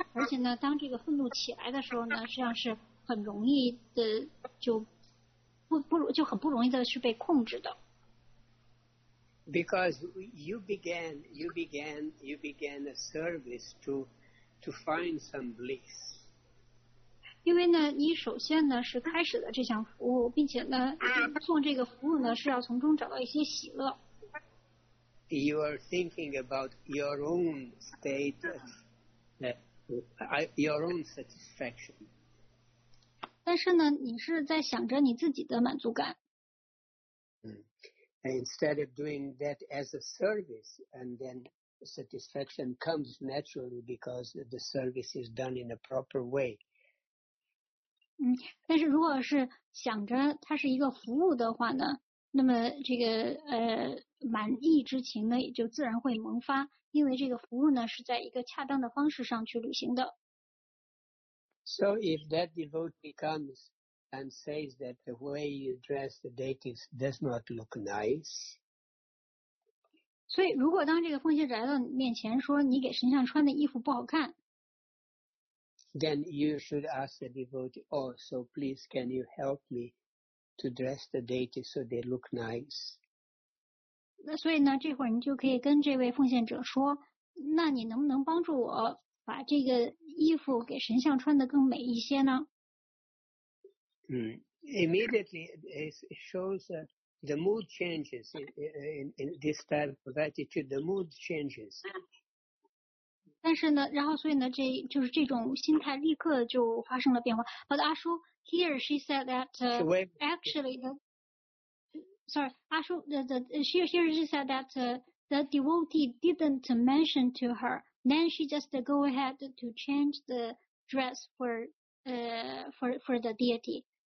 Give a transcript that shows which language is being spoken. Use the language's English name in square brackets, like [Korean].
[Chinese] 而且呢，当这个愤怒起来的时候呢，实际上是很容易的就很不容易的去被控制的。 [English] Because you began a service to find some bliss. [Chinese] 因为呢，你首先呢是开始了这项服务，并且呢，送这个服务呢是要从中找到一些喜乐。 [English] You are thinking about your own state of your own satisfaction. [Chinese] 但是呢，你是在想着你自己的满足感。 [English] And instead of doing that as a service, and then satisfaction comes naturally because the service is done in a proper way. [Chinese] 但是如果是想着它是一个服务的话呢，那么这个满意之情呢也就自然会萌发，因为这个服务呢是在一个恰当的方式上去履行的。 [English] So if that devotee comes and says that the way you dress the deities does not look nice, [Chinese] 所以如果当这个奉献者来到你面前说你给神像穿的衣服不好看。 [English] Then you should ask the devotee, oh, so please can you help me to dress the deity so they look nice? [Chinese] 那所以呢，这会儿你就可以跟这位奉献者说，那你能不能帮助我把这个衣服给神像穿得更美一些呢？ [English] Immediately, it shows The mood changes in this type of attitude. The mood changes. [Chinese] 但是呢，然后所以呢，这就是这种心态立刻就发生了变化。 [English] But 阿叔 here she said that actually the sorry 阿叔 the she she said that the devotee didn't mention to her. Then she just go ahead to change the dress for the deity.